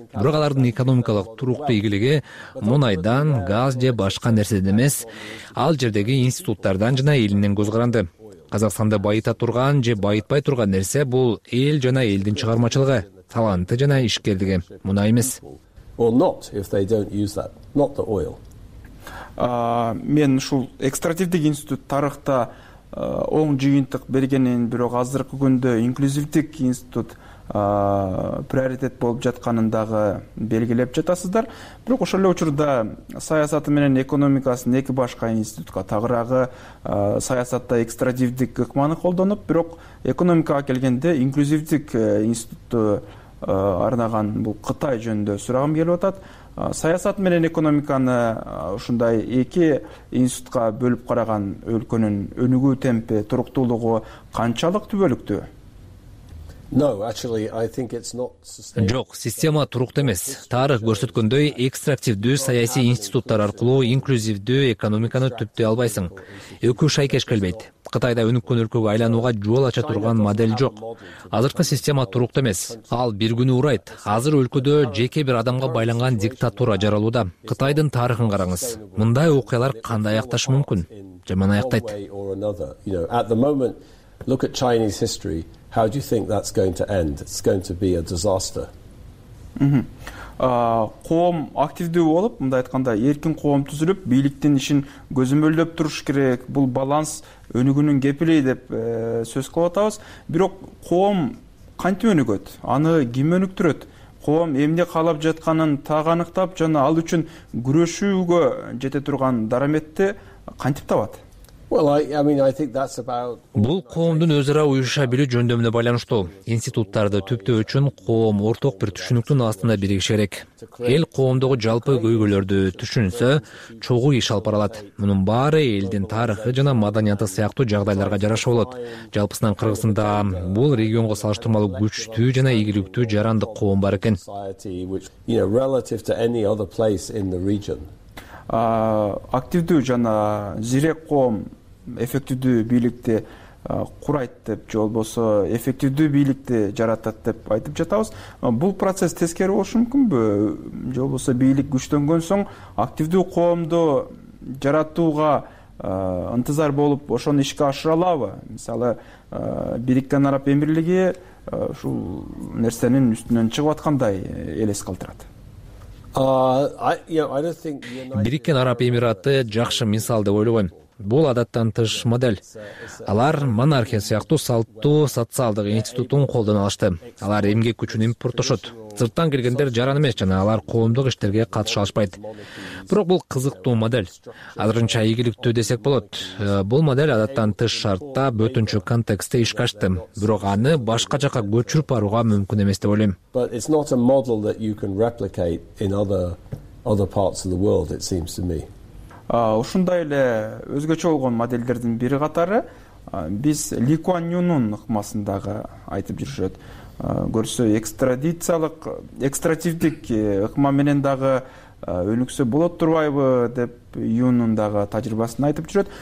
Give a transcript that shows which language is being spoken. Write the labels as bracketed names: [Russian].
[Kyrgyz] Бирок алардын экономикалык туруктуу ийгилиги мунайдан, газ же башка нерседен эмес, ал жердеги институттардан жана элинен көз каранды. Казакстанды байыта турган же байытпай турган нерсе бул эл жана элдин чыгармачылыгы, таланты жана ишкердиги, мунай эмес. [English] or not if they don't use that, not the oil. [Kyrgyz] Мен ушул экстрактивдик институт тарыхта оң жыйынтык бергенин, бирок азыркы күндө инклюзивдик институт приоритет болуп жатканын дагы белгилеп жатасыздар. Бирок ошол эле учурда саясаты менен экономикасын эки башка институтка, тагыраагы саясатта экстрактивдик ыкманы колдонуп, бирок экономикага келгенде инклюзивдик институтту арнаган бул Кытай жөнүндө сурагым келип атат. Саясат менен экономиканы ушундай эки институтка бөлүп караган өлкөнүн өнүгүү темпи, туруктуулугу канчалык түбөлүктүү? [English] No, actually, I think it's not sustainable. [Kyrgyz] Жок, система туруктуу эмес. Тарых көрсөткөндөй, экстрактивдүү саясий институттар аркылуу инклюзивдүү экономиканы түптөй албайсың. Эки шай кешкелбейт. Кытайда өнүккөн өлкөгө айланууга жол ача турган модель жок. Азыркы система туруктуу эмес. Ал бир күнү урайт. Азыр өлкөдө жеке бир адамга байланган диктатура жаралууда. Кытайдын тарыхын караңыз. Мындай окуялар кандай аякташы мүмкүн? Жаман аяктайт. [English] At the moment, look at Chinese history. How do you think that's going to end? It's going to be a disaster. [Kyrgyz] Коом активдүү болуп, мындай айтканда эркин коом түзүлүп, бийликтин ишин көзөмөлдөп туруш керек. Бул баланс өнүгүнүн кепили деп сөз кылып атабыз. Бирок коом кантип өнүгөт? Аны ким өнүктүрөт? Коом эмне каалап жатканын таг аныктап, жана ал үчүн күрөшүүгө жете турган дарамекти кантип табат? [English] Well, I think that's about [Kyrgyz] Бул коомдун өз ара уюша билүү жөндөмүнө байланыштуу. Институттарды түптөө үчүн коом орток бир түшүнүктүн астында биригиши керек. Эл коомдогу жалпы көйгөйлөрдү түшүнсө, чогуу иш алып бара алат. Мунун баары элдин тарыхы жана маданияты сыяктуу жагдайларга жараша болот. Жалпысынан Кыргызстанда бул регионго салыштырмалуу күчтүү жана ийгиликтүү жарандык коом бар экен. [English] Relative to any other place in the region. [Kyrgyz] Активдүү жана зирек коом эффективдүү бийликти курайт деп, же болбосо эффективдүү бийликти жаратат деп айтып жатабыз. Бул процесс тескери болушу мүмкүнбү? Же болбосо бийлик күчтөнгөн соң активдүү коомду жаратууга ынтызар болуп ошону ишке ашыра алабы? Мисалы, Бириккен Араб Эмирлиги ушул нерсенин үстүнөн чыгып аткандай элес калтырат. Бириккен Араб Эмираты жакшы мисал деп ойлобойм. Бул адаттан тыш модель. Алар монархия сыяктуу салттуу социалдык институтун колдоно алышты. Алар эмгек күчүн импорттошот. Сырттан келгендер жаран эмес жана алар коомдук иштерге катыша алышпайт. Бирок бул кызыктуу модель. Азырынча ийгиликтүү десек болот. Бул модель адаттан тыш шартта бөтүнчү контекстте ишке ашты. Бирок аны башка жака көчүрүп барууга мүмкүн эмес деп ойлойм. [English] But it's not a model that you can replicate in other parts of the world, it seems to me. [Kyrgyz] Ушундай эле өзгөчө болгон моделдердин бири катары биз Ли Куан Юнун ыкмасындагы айтып жүрүшөт. Көрсө экстрадициялык экстративдик ыкма менен дагы өнүксө болот турбайбы деп Юнун дагы тажрыйбасын айтып жүрөт.